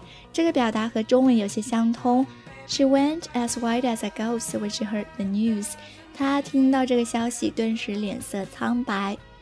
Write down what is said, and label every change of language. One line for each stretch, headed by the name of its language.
Chinese: 这个表达和中文有些相通。
English: She went as white as a ghost when she heard the news.
Chinese: 她听到这个消息，顿时脸色苍白。